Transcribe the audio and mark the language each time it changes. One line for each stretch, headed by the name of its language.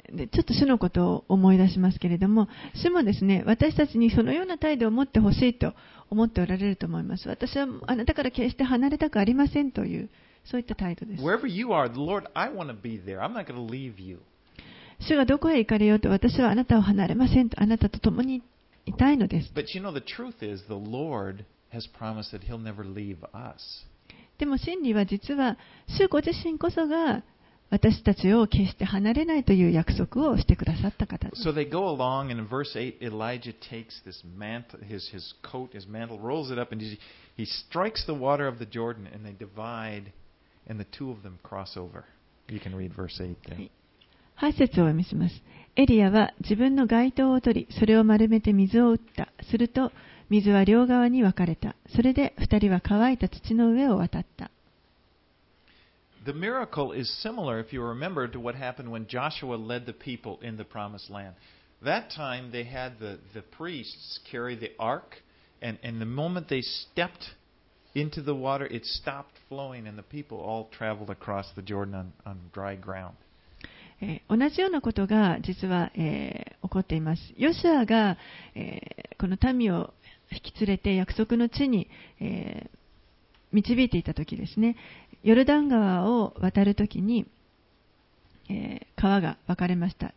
Japanese: ちょっと主のことを思い出しますけれども、主もですね、私たちにそのような態度を持ってほしいと思っておられると思います。私はあなたから決して離れたくありませんという。そういった態度です。
English: Wherever you are, the Lord, I want to be there. I'm not going to leave you.
Japanese: 主がどこへ行かれようと、私はあなたを離れませんと、あなたと共にいたいのです。
English: But you know, the truth is, the Lord has promised that He'll never leave us.
Japanese: でも真理は実は、主ご自身こそが私たちを決して離れないという約束をしてくださった方です。
English: So they go along, and in verse 8, Elijah takes this mantle, his coat, his mantle, rolls it up, and he strikes the water of the Jordan, and they divide. And the two of them cross over. You can read verse 8 there.
Japanese: 8節を読みします。エリアは自分の外套を取り、それを丸めて水を打った。すると水は両側に分かれた。それで二人は乾いた土の上を渡った。
English: The miracle is similar, if you remember, to what happened when Joshua led the people in the Promised Land. That time they had the priests carry the ark, and the moment they stepped. Into the water, it stopped flowing, and the people all traveled across the Jordan on dry ground.
Japanese: 同じようなことが実は、起こっています。ヨシュアが、この民を引き連れて約束の地に、導いていたときですね、ヨルダン川を渡るときに、川が分かれました。